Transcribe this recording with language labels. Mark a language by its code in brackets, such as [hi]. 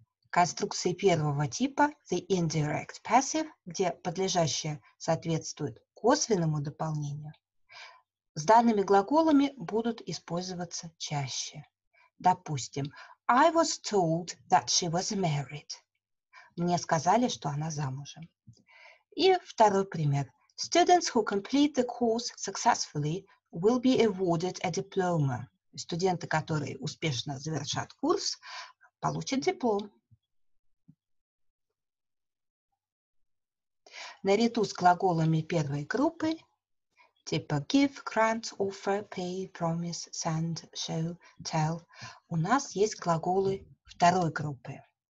[ru] Конструкции первого типа [en] the indirect passive, [ru] где подлежащее соответствует косвенному дополнению, с данными глаголами будут использоваться чаще. Допустим, [en] I was told that she was married. [ru] Мне сказали, что она замужем. И второй пример. [en] Students who complete the course successfully will be awarded a diploma. [ru] Студенты, которые успешно завершат курс, получат диплом. Наряду с глаголами первой группы, типа give, grant, offer, pay, promise, send, show, tell, у нас есть глаголы второй группы.